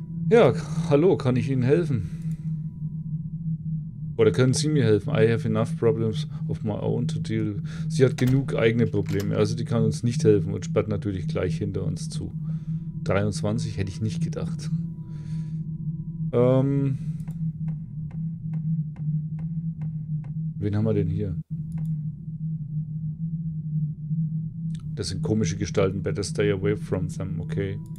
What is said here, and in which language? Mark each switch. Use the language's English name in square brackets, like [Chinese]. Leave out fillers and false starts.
[German] Ja, hallo, kann ich Ihnen helfen? Oder können Sie mir helfen? [English] I have enough problems of my own to deal. [German] Sie hat genug eigene Probleme, also die kann uns nicht helfen und sperrt natürlich gleich hinter uns zu. 23 hätte ich nicht gedacht. Wen haben wir denn hier? Das sind komische Gestalten. [English] Better stay away from them, okay?